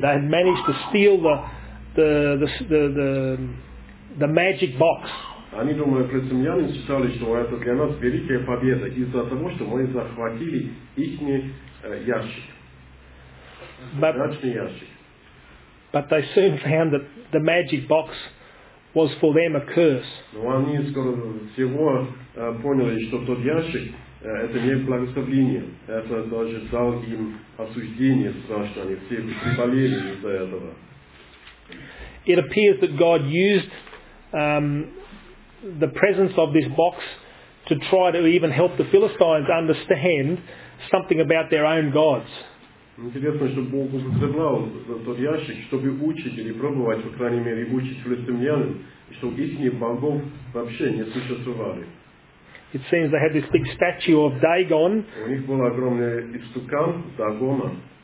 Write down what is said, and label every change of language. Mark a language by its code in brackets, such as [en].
[en] They had managed to steal the magic box. [ru] Они думали, филистимляне считали, что это для нас великая победа из-за того, что мы захватили их ящик. Прочный ящик. [en] But they soon found that the magic box was for them a curse. [ru] Но они скоро всего поняли, что тот ящик это не благословение. Это даже дал им осуждение страшное. Они все приболели из-за этого. [en] It appears that God used the presence of this box to try to even help the Philistines understand something about their own gods. [ru] Интересно, что Бог употреблял тот ящик, чтобы учить или пробовать, по крайней мере, учить филистимлянам, что их богов вообще не существовали. [en] It seems they had this big statue of Dagon. [ru] У них был огромный истукан Дагона.